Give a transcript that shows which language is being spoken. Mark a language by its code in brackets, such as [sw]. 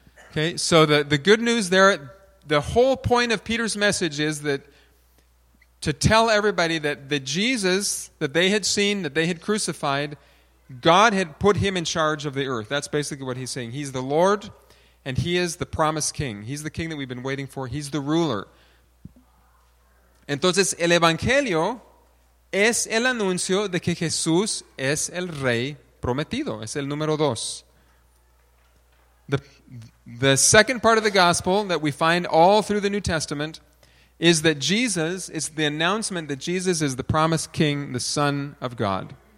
[en] Okay, so the good news there, the whole point of Peter's message is that to tell everybody that the Jesus that they had seen, that they had crucified, God had put him in charge of the earth. That's basically what he's saying. He's the Lord, and he is the promised king. He's the king that we've been waiting for. He's the ruler. [es] Entonces, el Evangelio es el anuncio de que Jesús es el Rey prometido. Es el número dos. [en] The second part of the gospel that we find all through the New Testament is that Jesus, it's the announcement that Jesus is the promised king, the son of God.